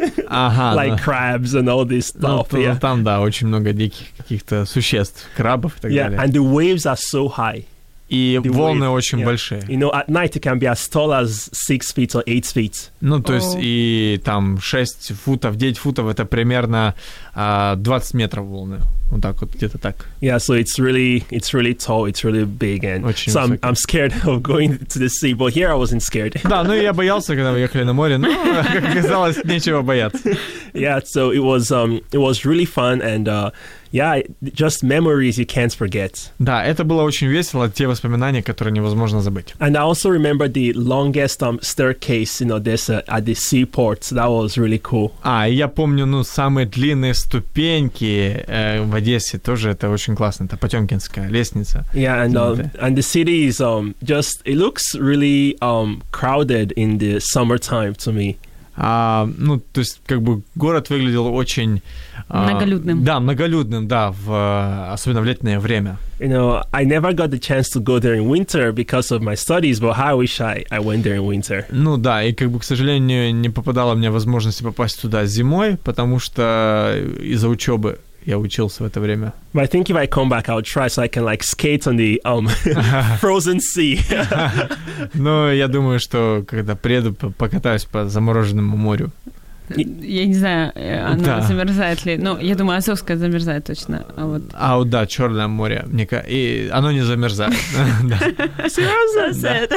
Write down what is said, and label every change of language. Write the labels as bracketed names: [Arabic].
[Russian] Ага. [English] Like, crabs and all this stuff. [Russian] Ну, [English] yeah. [Russian] Там, да, очень много диких каких-то существ, крабов и так, [English] yeah, [Russian] далее. [English] Yeah, and the waves are so high. [Russian] И the волны wave, очень, yeah, большие. [English] You know, at night it can be as tall as 6 feet or 8 feet. [Russian] Ну, то есть и там 6 футов, 9 футов, это примерно 20 метров волны. Вот так вот, где-то так. [English] Yeah, so it's really tall, it's really big. And [Russian] очень [English] so [Russian] высокий. [English] I'm scared of going to the sea, but here I wasn't scared. [Russian] Да, ну я боялся, когда мы ехали на море, но, как оказалось, нечего бояться. [English] Yeah, so it was really fun, and yeah, just memories you can't forget. [Russian] Да, это было очень весело, те воспоминания, которые невозможно забыть. [English] And I also remember the longest staircase in Odessa at the seaport, so that was really cool. [Russian] А, я помню, ну, самые длинные ступеньки в Одессе тоже, это очень классно, это Потёмкинская лестница. [English] Yeah, and the city is just, it looks really crowded in the summertime to me. [Russian] Ну, то есть, как бы, город выглядел очень... Многолюдным. Да, многолюдным, да, особенно в летнее время. [English] You know, I never got the chance to go there in winter because of my studies, but how I wish I went there in winter. [Russian] Ну да, и как бы, к сожалению, не попадала мне возможность попасть туда зимой, потому что из-за учебы я учился в это время. [English] But I think if I come back, I'll try so I can, like, skate on the frozen sea. [Russian] Ну, я думаю, что когда приеду, покатаюсь по замороженному морю. Я не знаю, оно, да, замерзает ли. Ну, я думаю, Азовское замерзает точно. А вот да, Черное море. И оно не замерзает. Серьезно?